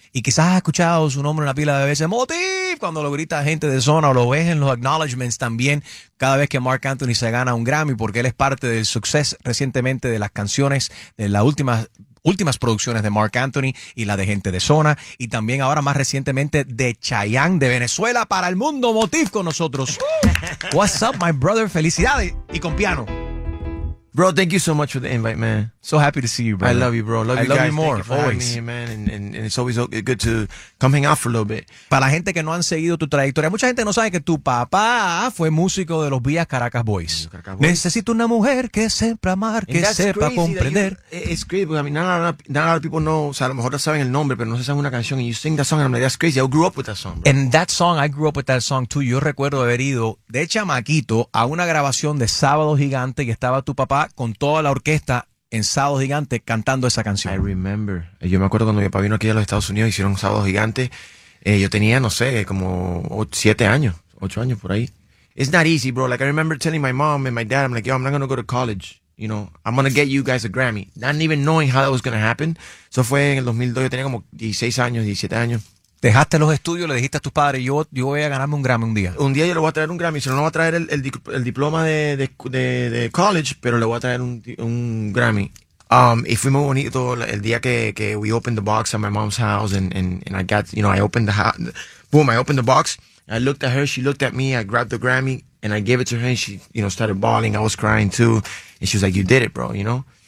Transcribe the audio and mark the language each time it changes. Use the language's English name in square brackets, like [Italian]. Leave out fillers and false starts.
[Spanish] Y quizás has escuchado su nombre una pila de veces, Motiff, cuando lo grita gente de zona, o lo ves en los acknowledgements también cada vez que Marc Anthony se gana un Grammy, porque él es parte del suceso recientemente de las canciones de las últimas producciones de Marc Anthony y la de Gente de Zona, y también ahora más recientemente de Chayanne de Venezuela para el mundo. Motiff con nosotros. [English] What's up, my brother? [Spanish] Felicidades. Y con piano. [English] Bro, thank you so much for the invite, man. So happy to see you, bro. I love you, bro. Love I you love guys. You more, thank you for always. Having me, man. And it's always good to come hang out for a little bit. [Spanish] Para la gente que no han seguido tu trayectoria, mucha gente no sabe que tu papá fue músico de los Villas Caracas Boys. Caracas Boys. Necesito una mujer que sepa amar, [English] and [Spanish] que sepa comprender. [English] It's crazy, but I mean, not a lot of people know, [Spanish] o sea, a lo mejor no saben el nombre, pero no se saben una canción. [English] And you sing that song, and I'm like, that's crazy. I grew up with that song, bro. And that song, I grew up with that song, too. [Spanish] Yo recuerdo haber ido de chamaquito a una grabación de Sábado Gigante y estaba tu papá con toda la orquesta en Sábado Gigante cantando esa canción. [English] I remember. [Spanish] Yo me acuerdo cuando mi papá vino aquí a los Estados Unidos, hicieron Sábado Gigante. Yo tenía, no sé, como 7 años, 8 años por ahí. [English] It's not easy, bro. Like, I remember telling my mom and my dad, I'm like, yo, I'm not going to go to college. You know, I'm going to get you guys a Grammy. Not even knowing how that was going to happen. [Spanish] Eso fue en el 2002. Yo tenía como 16 años, 17 años. Dejaste los estudios, le dijiste a tus padres, yo voy a ganarme un Grammy un día. Un día yo le voy a traer un Grammy, si no, no voy a traer el diploma de college, pero le voy a traer un Grammy. Y fue muy bonito el día que [English] we opened the box at my mom's house and I got, you know, I opened I opened the box, I looked at her, she looked at me, I grabbed the Grammy and I gave it to her and she, you know, started bawling, I was crying too. And she was like, you did it, bro, you know?